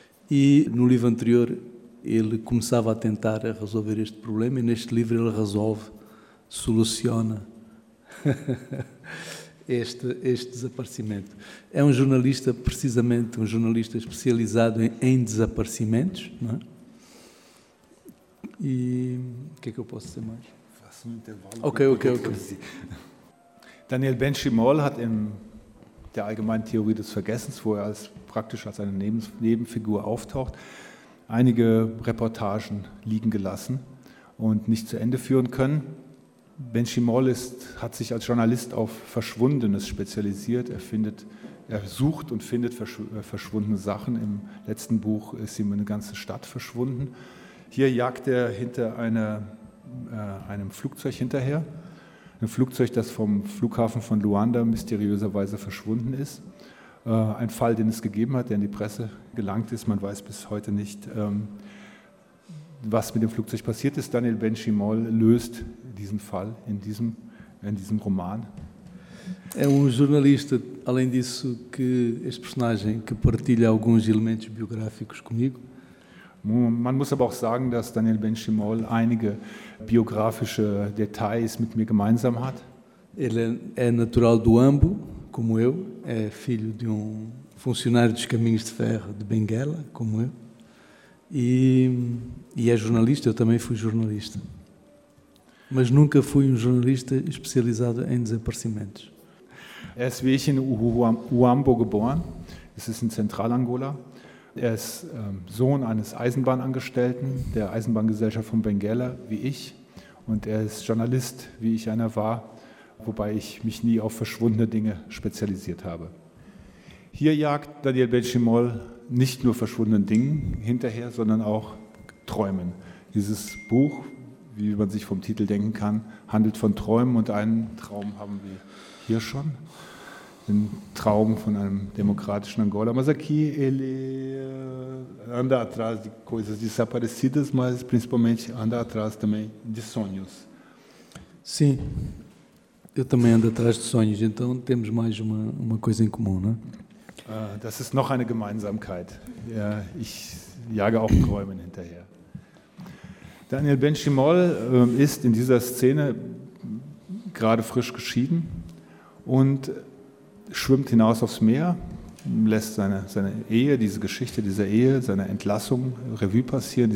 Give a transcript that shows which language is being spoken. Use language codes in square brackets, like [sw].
[pt] E no livro anterior ele começava a tentar resolver este problema e neste livro ele resolve, soluciona este desaparecimento. É um jornalista, precisamente um jornalista especializado em desaparecimentos, não é? E o que é que eu posso dizer mais? Faço um intervalo. Okay. [de] Daniel Benchimol hat in der allgemeinen Theorie des Vergessens, wo er praktisch als eine Nebenfigur auftaucht, einige Reportagen liegen gelassen und nicht zu Ende führen können. Benchimol hat sich als Journalist auf Verschwundenes spezialisiert. Er sucht und findet verschwundene Sachen. Im letzten Buch ist ihm eine ganze Stadt verschwunden. Hier jagt er hinter einem Flugzeug hinterher. Ein Flugzeug, das vom Flughafen von Luanda mysteriöserweise verschwunden ist. Ein Fall, den es gegeben hat, der in die Presse gelangt ist. Man weiß bis heute nicht, was mit dem Flugzeug passiert ist. Daniel Benchimol löst diesen Fall in diesem Roman. [pt] É um jornalista, além disso, que este personagem que partilha alguns elementos biográficos comigo. [de] Man muss aber auch sagen, dass Daniel Benchimol einige biografische Details mit mir gemeinsam hat. [pt] Ele é natural do Ambo, como eu, é filho de um funcionário dos caminhos de ferro de Benguela, como eu. E é jornalista, eu também fui jornalista. Mas nunca fui um jornalista especializado em desaparecimentos. [de] Er ist wie ich in Uambo geboren. Es ist in Zentralangola. Er ist Sohn eines Eisenbahnangestellten der Eisenbahngesellschaft von Benguela, wie ich. Und er ist Journalist, wie ich einer war, wobei ich mich nie auf verschwundene Dinge spezialisiert habe. Hier jagt Daniel Benchimol nicht nur verschwundenen Dingen hinterher, sondern auch Träumen. Dieses Buch, wie man sich vom Titel denken kann, handelt von Träumen und einen Traum haben wir hier schon. Den Traum von einem demokratischen Angola. [pt] Mas aqui ele anda atrás de coisas desaparecidas, mas principalmente anda atrás também de sonhos. Sim, eu também ando atrás de sonhos, então temos mais uma coisa em comum, né? [de] Das ist noch eine Gemeinsamkeit. Ja, ich jage auch Träumen hinterher. Daniel Benchimol ist in dieser Szene gerade frisch geschieden und schwimmt hinaus aufs Meer, lässt seine Ehe, diese Geschichte dieser Ehe, seine Entlassung Revue passieren.